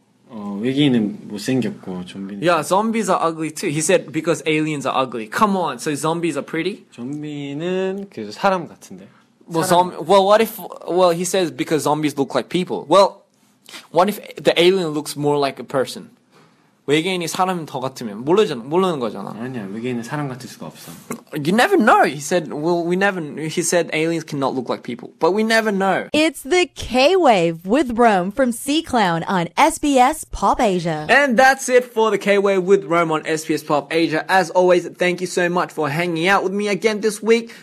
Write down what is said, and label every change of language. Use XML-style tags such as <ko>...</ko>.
<ko>외계인은 못생겼고 좀비는.</ko> <en>Yeah, zombies are ugly too. He said because aliens are ugly. Come on, so zombies are pretty?</en> <ko>좀비는 그래서 사람 같은데.</ko> <en>뭐 zombie? Well, what if? Well, he says because zombies look like people. Well, what if the alien looks more like a person?</en> <ko>외계인이 사람 더 같으면 모르는 거잖아. 아니야, 외계인은 사람 같을 수가 없어.</ko> <en>You never know. He said, well, we never, he said aliens cannot look like people, but we never know. It's the K-Wave with Rome from CClown on SBS Pop Asia. And that's it for the K-Wave with Rome on SBS Pop Asia. As always, thank you so much for hanging out with me again this week.</en>